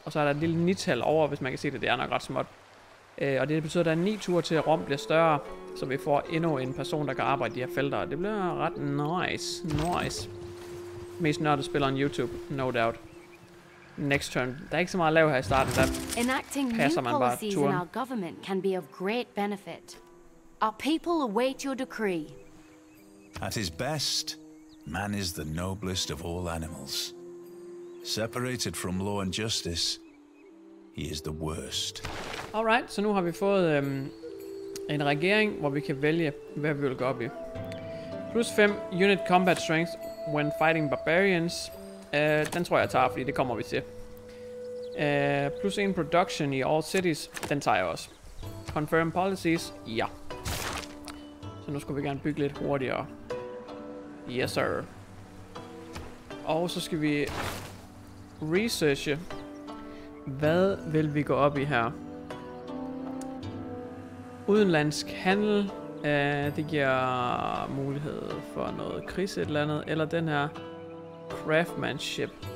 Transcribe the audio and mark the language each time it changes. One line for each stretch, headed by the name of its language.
Danish: Og så er der et lille 9-tal over, hvis man kan se det. Det er nok ret småt. Og det betyder, at der er 9 ture til, at Rom bliver større, så vi får endnu en person, der kan arbejde i de her felter. Det bliver ret nice. Mest nørdet spiller
English: on YouTube, no doubt. Next turn.
Danish: Der er ikke så meget at lave her i starten, der
English: enacting
Danish: passer man bare turen.
English: In our government can be of great benefit. Our people await your decree. At his best, man is the noblest of all animals. Separated from law and justice, he is the worst.
Danish: Alright, så nu har vi fået en regering, hvor vi kan vælge, hvad vi vil gå op i.
English: Plus 5 unit combat strength when fighting barbarians.
Danish: Den tror jeg tager, fordi det kommer vi til.
English: Plus 1 production i all cities.
Danish: Den tager jeg også.
English: Confirm policies. Ja.
Danish: Så nu skulle vi gerne bygge lidt hurtigere.
English: Yes, sir.
Danish: Og så skal vi researche. Hvad vil vi gå op i her? Udenlandsk handel. Det giver mulighed for noget krise et eller andet. Eller den her craftsmanship.